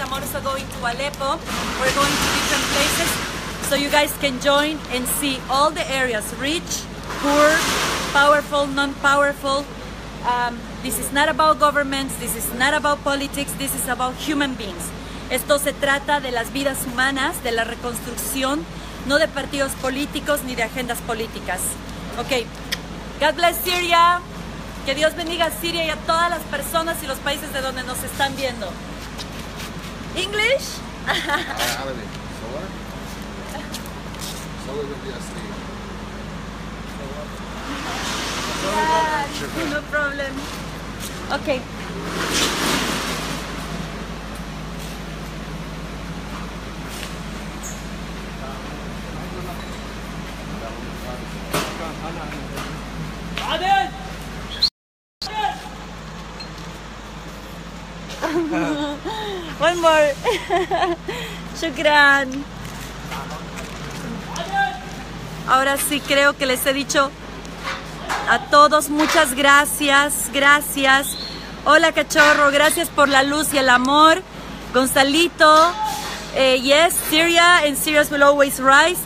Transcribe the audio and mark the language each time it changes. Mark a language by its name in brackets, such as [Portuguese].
[English] I'm also going to Aleppo. We're going to different places so you guys can join and see all the areas, rich, poor, powerful, non-powerful. This is not about governments, this is not about politics, this is about human beings. [Spanish] Esto se trata de las vidas humanas, de la reconstrucción, no de partidos políticos ni de agendas políticas. Okay. [English] God bless Syria. [Spanish] Que Dios bendiga a Siria y a todas las personas y los países de donde nos están viendo. [English] English? No problem. Okay. One more. Shukran. [Spanish] Ahora sí creo que les he dicho a todos muchas gracias, gracias. Hola cachorro, gracias por la luz y el amor. [English] Gonzalito, yes, Syria and Syrians will always rise.